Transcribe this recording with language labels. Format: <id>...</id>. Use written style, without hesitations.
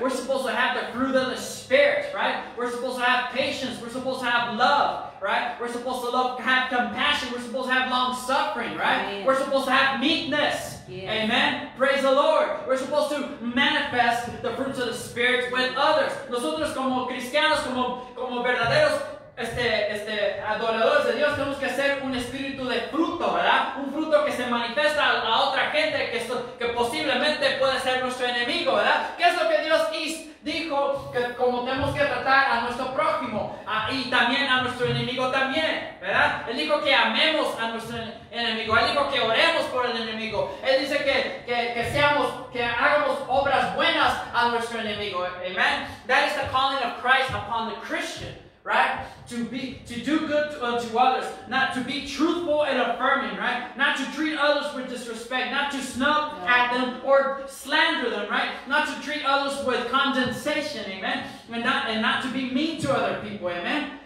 <en>We're supposed to have the fruit of the Spirit, right? We're supposed to have patience. We're supposed to have love, right? We're supposed to love, have compassion. We're supposed to have long-suffering, right? Amen. We're supposed to have meekness. Yes. Amen? Praise the Lord. We're supposed to manifest the fruits of the Spirit with others.</en> <es>Nosotros como cristianos, como verdaderos, adoradores de Dios, tenemos que hacer un espíritu de fruto, ¿verdad? Un fruto que se manifiesta a otra gente que posiblemente puede ser nuestro enemigo, ¿verdad? ¿Qué es lo que Dios dijo que como tenemos que tratar a nuestro prójimo y también a nuestro enemigo también, ¿verdad? Él dijo que amemos a nuestro enemigo. Él dijo que oremos por el enemigo. Él dice que hagamos obras buenas a nuestro enemigo. Amen.</es> <en>That is the calling of Christ upon the Christian. Right? To do good to others. Not to be truthful and affirming, right? Not to treat others with disrespect. Not to snub at them or slander them, right? Not to treat others with condescension, amen? And not to be mean to other people, amen?</en>